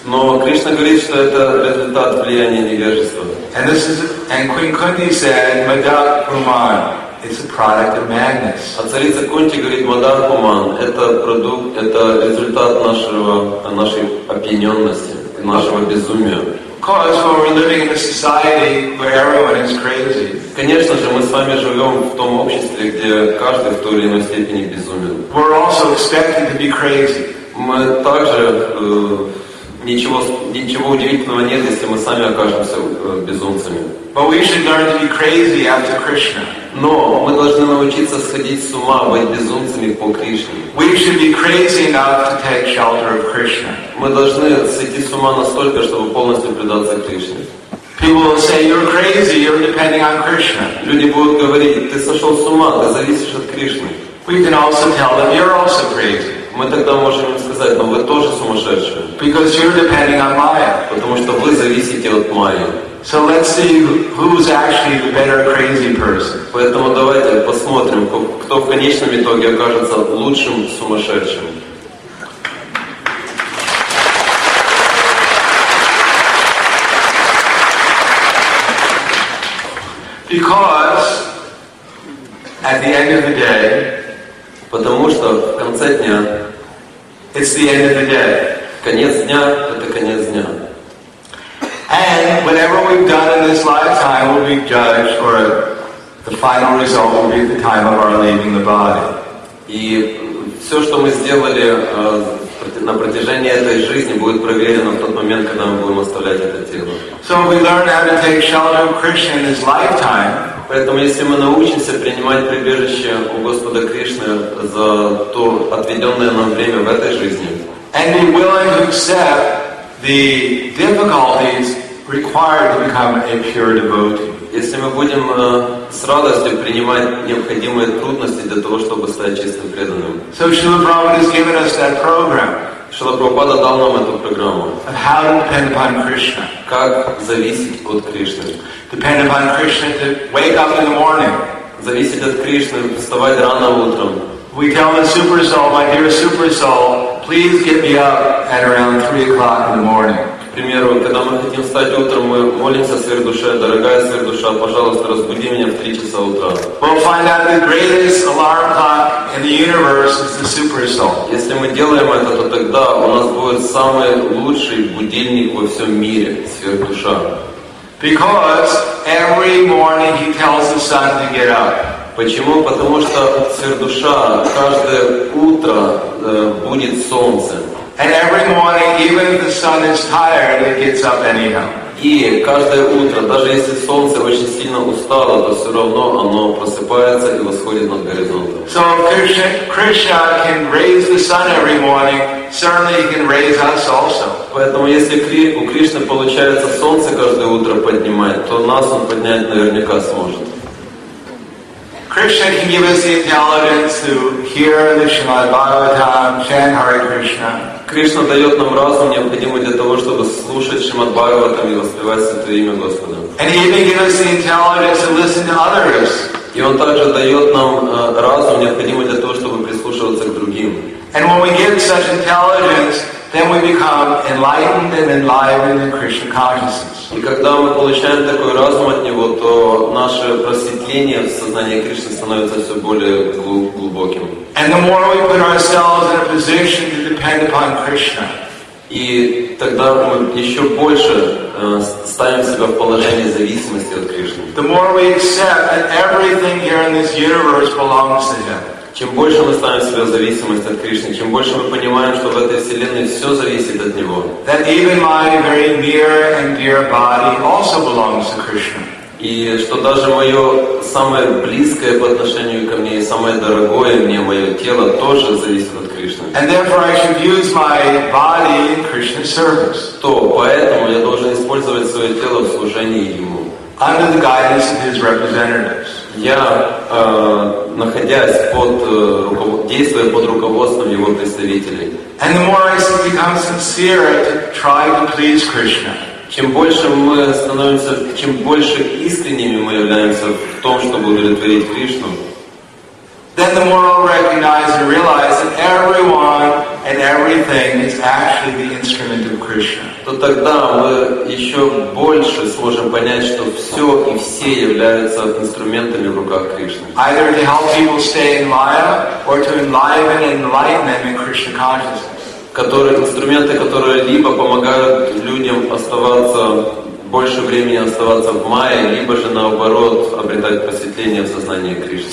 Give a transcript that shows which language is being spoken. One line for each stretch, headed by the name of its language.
Russian: Но Кришна говорит, что это результат влияния невежества.
English: And this is, and Queen Kunti said, Madhat Puman, it's a product of madness.
Russian: А царица Кунти говорит, Мадхат Пуман, это продукт, это результат нашего, нашей опьяненности, нашего безумия.
English: Because when we're living in a society where everyone is crazy.
Russian: Конечно же, мы с вами живем в том обществе, где каждый в той или иной степени безумен.
English: We're also expected to be crazy.
Russian: Мы также ничего удивительного нет, если мы сами окажемся безумцами.
English: But we should learn to be crazy after Krishna.
Russian: Но мы должны научиться сходить с ума, быть безумцами по Кришне.
English: We should be crazy enough to take shelter of Krishna.
Russian: Мы должны сойти с ума настолько, чтобы полностью предаться Кришне.
English: People will say, you're crazy, you're depending on Krishna.
Russian: Люди будут говорить, ты сошел с ума, ты зависишь от Кришны.
English: We can also tell them, you're also crazy.
Russian: Мы тогда можем сказать, но вы тоже сумасшедшие.
English: Because you're depending on Maya.
Russian: Потому что вы зависите от Майи.
English: So let's see who's actually the better crazy person.
Russian: Поэтому давайте посмотрим, кто в конечном итоге окажется лучшим сумасшедшим.
English: Because at the end of the day,
Russian: потому что в конце дня,
English: it's the end of the day.
Russian: Конец дня — это конец дня.
English: And whatever we've done in this lifetime will be judged, or the final result will be the time of our leaving the body.
Russian: И все, что мы сделали на протяжении этой жизни, будет проверено в тот момент, когда мы будем оставлять это тело.
English: So we learn how to take shelter of Krishna in this lifetime.
Russian: Поэтому если мы научимся принимать прибежище у Господа Кришны за то отведенное нам время в этой жизни,
English: and be willing to accept the difficulties required to become a pure devotee.
Russian: Если мы будем с радостью принимать необходимые трудности для того, чтобы стать чистым преданным.
English: So Srila Prabhupada has given us that program.
Russian: Srila Prabhupada дал нам эту программу.
English: Of how to depend upon Krishna.
Russian: Как зависеть от Кришны.
English: Depend upon Krishna to wake up in the morning.
Russian: Зависеть от Кришны, вставать рано утром.
English: We tell the super soul, my dear super soul, please get me up at around 3 o'clock in the morning.
Russian: К примеру, когда мы хотим встать утром, мы молимся сверхдуше, дорогая сверхдуша, пожалуйста, разбуди меня в 3 часа утра.
English: We'll find out the greatest alarm clock in the universe is the super soul.
Russian: Если мы делаем это, то тогда у нас будет самый лучший будильник во всем мире, сверхдуша.
English: Because every morning he tells the sun to get up.
Russian: Почему? Потому что сверхдуша каждое утро будет солнце.
English: And every morning, even if the sun is tired, it gets up anyhow.
Russian: И каждое утро, даже если солнце очень сильно устало, то все равно оно просыпается и восходит над горизонтом.
English: So Krishna can raise the sun every morning. Certainly, he can raise us also.
Russian: Поэтому если у Кришны получается солнце каждое утро поднимать, то нас он поднять наверняка сможет.
English: Krishna can give us the intelligence to hear the Srimad Bhagavatam, chant Hare Krishna.
Russian: Кришна дает нам разум, необходимый для того, чтобы слушать Шримад Бхагаватам и воспевать Святое Имя Господа.
English: And he even gives us the intelligence to listen to others.
Russian: И Он также дает нам разум, необходимый для того, чтобы прислушиваться к другим.
English: And when we get such intelligence, then we become enlightened and enlivened in Krishna consciousness.
Russian: И когда мы получаем такой разум от Него, то наше просветление в сознании Кришны становится все более глубоким.
English: And the more we put ourselves in a position to depend upon Krishna.
Russian: И тогда мы еще больше ставим себя в положение зависимости от Кришны.
English: The more we accept that everything here in this universe belongs to Him.
Russian: Чем больше мы ставим себя в зависимость от Кришны, чем больше мы понимаем, что в этой вселенной все зависит от Него.
English: That even my very near and dear body also belongs to Krishna.
Russian: И что даже мое самое близкое по отношению ко мне и самое дорогое мне мое тело тоже зависит от Кришны.
English: And therefore I should use my body in Krishna's service.
Russian: То поэтому я должен использовать свое тело в служении Ему.
English: Under the guidance of His representatives.
Russian: Я находясь под действуя под руководством Его представителей.
English: And the more I become sincere to try to please Krishna.
Russian: Чем больше мы становимся, чем больше искренними мы являемся в том, чтобы удовлетворить Кришну,
English: then the more I'll recognize and realize that everyone, and everything is actually the instrument of Krishna.
Russian: То тогда мы еще больше сможем понять, что все и все являются инструментами в руках Кришны.
English: Either to help people stay in Maya or to enliven and enlighten them in Krishna consciousness.
Russian: Которые инструменты, которые либо помогают людям оставаться больше времени оставаться в Майе, либо же наоборот обретать просветление в сознании Кришны.